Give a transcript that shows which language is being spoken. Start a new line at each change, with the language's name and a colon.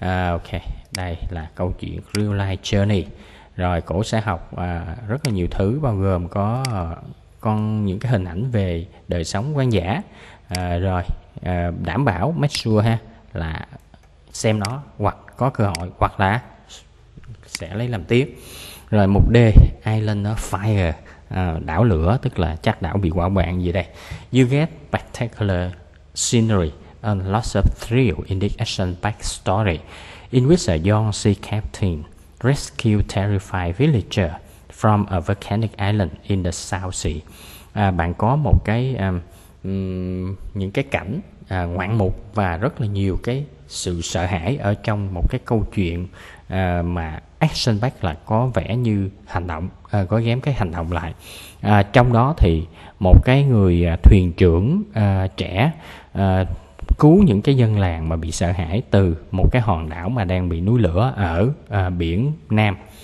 Vietnamese: Ok, đây là câu chuyện
English: real life journey.
Vietnamese: Rồi cổ sẽ học rất là nhiều thứ, bao gồm có con những cái hình ảnh về đời sống hoang dã. Rồi đảm bảo
English: make sure
Vietnamese: ha là xem nó, hoặc có cơ hội hoặc là sẽ lấy làm tiếc. Rồi mục D, Island of Fire, đảo lửa, tức là chắc đảo bị hỏa hoạn gì đây.
English: You get spectacular scenery and lots of thrill in the action backstory in which a young sea captain rescue terrified villager from a volcanic island in the South Sea.
Vietnamese: Bạn có một cái những cái cảnh ngoạn mục và rất là nhiều cái sự sợ hãi ở trong một cái câu chuyện mà action back là có vẻ như hành động, có ghém cái hành động lại. Trong đó thì một cái người thuyền trưởng trẻ cứu những cái dân làng mà bị sợ hãi từ một cái hòn đảo mà đang bị núi lửa ở biển Nam.